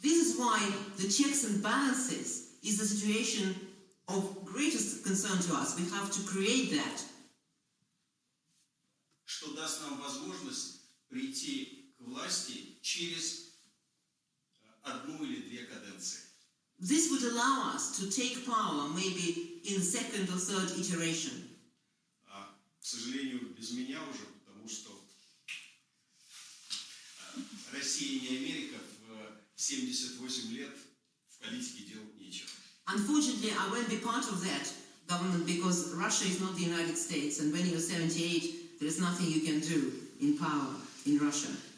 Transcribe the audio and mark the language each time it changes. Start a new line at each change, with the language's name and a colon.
English: This is why the checks and balances is the situation of greatest concern to us. We have to create that.
Russian: Что даст нам возможность прийти к власти через одну или две каденции.
English: This would allow us to take power maybe in the second or third iteration.
Russian: К сожалению, без меня уже, потому что Россия не Америка, в 78 лет в политике делать нечего.
English: Unfortunately, I won't be part of that government because Russia is not the United States, and when you're 78, there is nothing you can do in power in Russia.